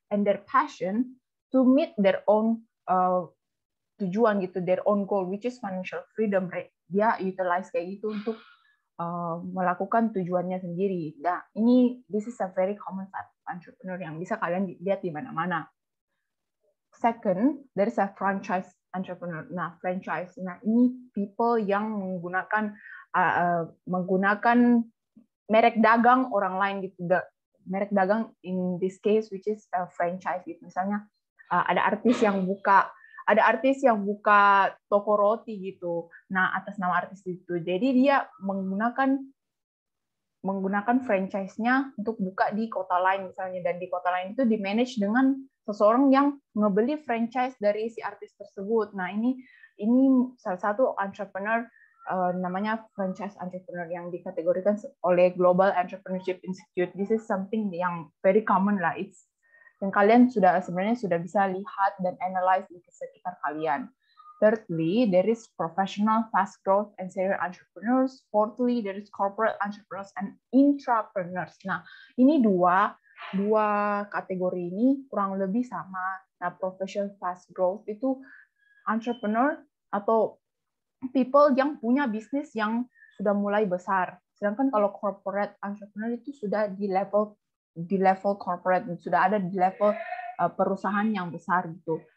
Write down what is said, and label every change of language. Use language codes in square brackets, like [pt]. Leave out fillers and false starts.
[en] and their passion to meet their own [id] tujuan gitu, [en] their own goal, which is financial freedom, right? [id] Dia utilize kayak gitu untuk melakukan tujuannya sendiri. Nah, ini [en] this is a very common type entrepreneur [id] yang bisa kalian lihat di mana-mana. [en] Second, there is a franchise entrepreneur. Nah, franchise. [id] Nah, ini people yang menggunakan menggunakan merek dagang orang lain gitu. [en] The merek dagang in this case, which is a franchise. [id] Gitu. Misalnya ada artis yang buka toko roti gitu. Nah, atas nama artis itu. Jadi dia menggunakan franchise-nya untuk buka di kota lain misalnya, dan di kota lain itu di-manage dengan seseorang yang ngebeli franchise dari si artis tersebut. Nah, ini salah satu entrepreneur namanya franchise entrepreneur yang dikategorikan oleh Global Entrepreneurship Institute. [en] This is something yang very common lah. [id] It's yang kalian sebenarnya sudah bisa lihat dan analyze di sekitar kalian. [en] Thirdly, there is professional fast growth and serial entrepreneurs. Fourthly, there is corporate entrepreneurs and intrapreneurs. [id] Nah, ini dua kategori ini kurang lebih sama. Nah, professional fast growth itu entrepreneur atau people yang punya bisnis yang sudah mulai besar. Sedangkan kalau corporate entrepreneur itu sudah di level corporate, sudah ada di level perusahaan yang besar gitu.